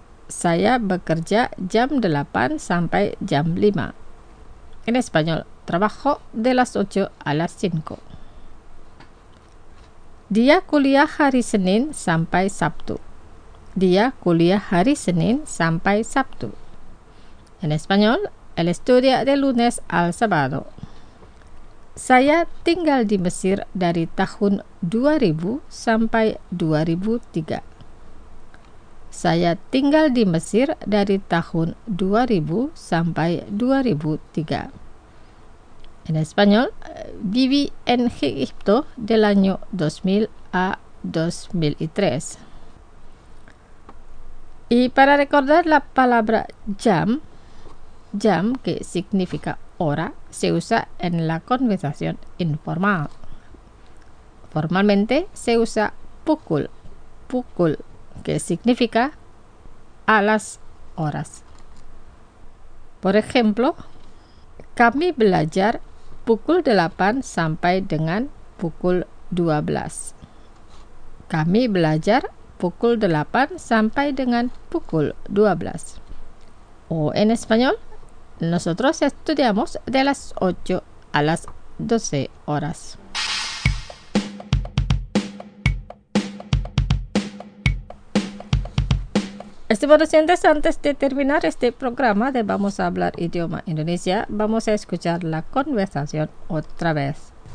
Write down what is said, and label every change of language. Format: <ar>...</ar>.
<id>Saya bekerja jam 8 sampai jam 5.</id> <es>En español, trabajo de las 8 a las 5.</es> <id>Dia kuliah hari Senin sampai Sabtu. Dia kuliah hari Senin sampai Sabtu.</id> <es>En español, él estudia de lunes al sábado.</es> <id>Saya tinggal di Mesir dari tahun 2000 sampai 2003. Saya tinggal di Mesir dari tahun 2000 sampai 2003.</id> <es>En español, viví en Egipto del año 2000 a 2003. Y para recordar la palabra jam, jam que significa hora, se usa en la conversación informal. Formalmente se usa pukul, pukul, que significa a las horas. Por ejemplo,</es> <id>kami belajar pukul 8 sampai dengan pukul 12. Kami belajar pukul 8 sampai dengan pukul 12.</id> <es>O en español, nosotros estudiamos de las 8 a las 12 horas. Estimados oyentes, antes de terminar este programa de Vamos a Hablar Idioma Indonesia, vamos a escuchar la conversación otra vez.</es>